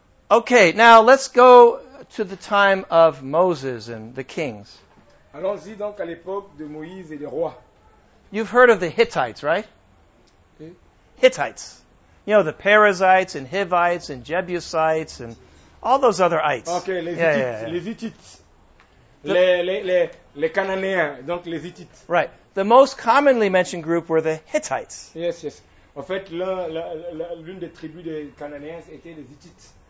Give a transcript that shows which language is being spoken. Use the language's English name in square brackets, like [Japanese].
[English] Okay, now let's go to the time of Moses and the kings. [French] Allons-y donc à l'époque de Moïse et des rois. [English] You've heard of the Hittites, right? Hittites. You know, the Perizzites and Hivites and Jebusites and all those other ites. [French] Okay, les Hittites. Yeah. Les Hittites. Les Cananéens, donc les Hittites. [English] Right. The most commonly mentioned group were the Hittites. Yes, yes. [French] En fait, l'une des tribus des Cananéens était les Hittites.